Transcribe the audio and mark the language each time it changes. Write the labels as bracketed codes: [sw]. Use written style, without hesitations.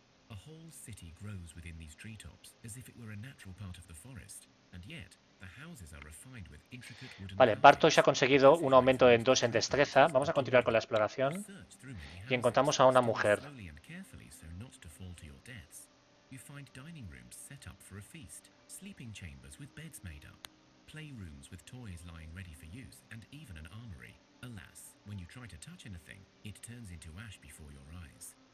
[en] A whole city grows within these treetops, as if it were a natural part of the forest, and yet the houses are refined with intricate wooden houses. [es] Vale, Bartosz ha conseguido un aumento en 2 en destreza. Vamos a continuar con la exploración y encontramos a una mujer. [en] Slowly and carefully, so not to fall to your deaths. You find dining rooms set up for a feast, sleeping chambers with beds made up, playrooms with toys lying ready for use, and even an armory. Alas, when you try to touch anything, it turns into ash before your eyes.